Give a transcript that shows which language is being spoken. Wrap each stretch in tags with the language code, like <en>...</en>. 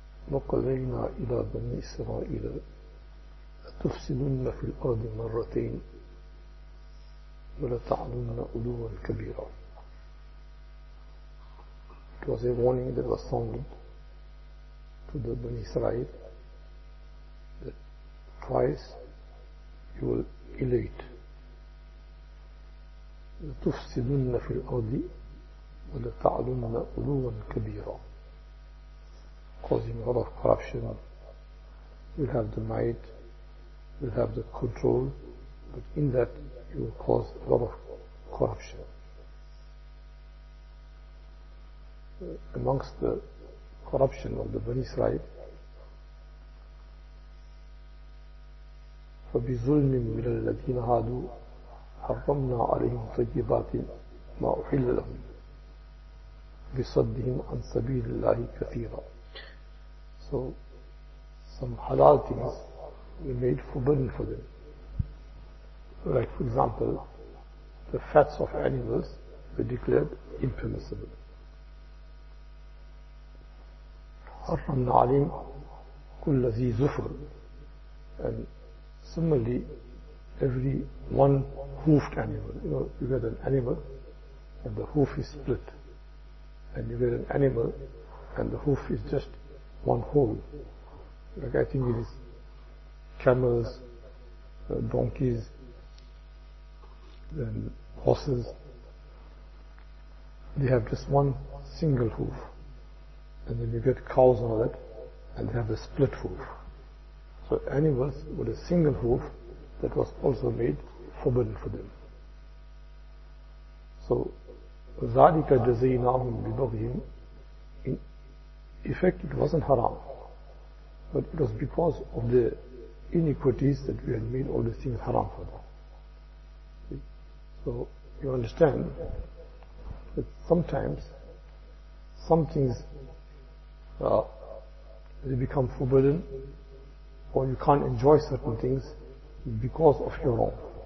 <ar>وقضينا إلى بني إسرائيل أتفسدن في الأرض مرتين ولتعلن علوا كبيرا.</ar> <en>It was a warning that was sounded to the Bani Israel that twice you will elate.</en> <ar>لتفسدن في الأرض ولتعلن علوا كبيرا.</ar> <en>Causing a lot of corruption. You'll have the might, you'll have the control, but in that you will cause a lot of corruption. Amongst the corruption of the Bani Israel,</en> <ar>فبظلم من الذين هادوا حرمنا عليهم طيبات ما أحل لهم بصدهم عن سبيل الله كثيرا.</ar> <en>So some halal things we made forbidden for them. Like for example, the fats of animals were declared impermissible.</en> <ar>حرمنا عليهم كل ذي زفر.</ar> <en>And similarly, every one hoofed animal. You know, you get an animal and the hoof is split. And you get an animal and the hoof is just one hole. Like I think it is camels, donkeys, then horses. They have just one single hoof. And then you get cows and all that and they have a split hoof. So animals with a single hoof, that was also made forbidden for them.</en> <ar>So, ذَلِكَ جَزَيْنَاهُمْ بِبَغْيِمْ.</ar> <en>In effect, it wasn't haram. But it was because of the iniquities that we had made all these things haram for them. So, you understand that sometimes, some things, they become forbidden, or you can't enjoy certain things, because of your wrong.</en>